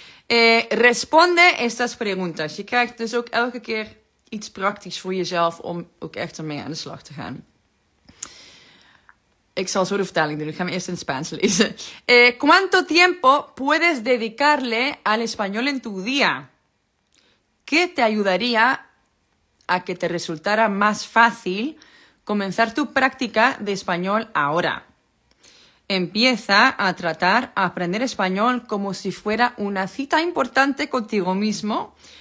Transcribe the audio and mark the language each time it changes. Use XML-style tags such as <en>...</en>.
<es>Responde estas preguntas.</es> <nl>Je krijgt dus ook elke keer iets praktisch voor jezelf om ook echt ermee aan de slag te gaan. Ik zal zo de vertaling doen. Ik ga hem eerst in Spaans lezen.</nl> <es>¿Cuánto tiempo puedes dedicarle al español en tu día? ¿Qué te ayudaría a que te resultara más fácil comenzar tu práctica de español ahora? Empieza a tratar a aprender español como si fuera una cita importante contigo mismo.</es>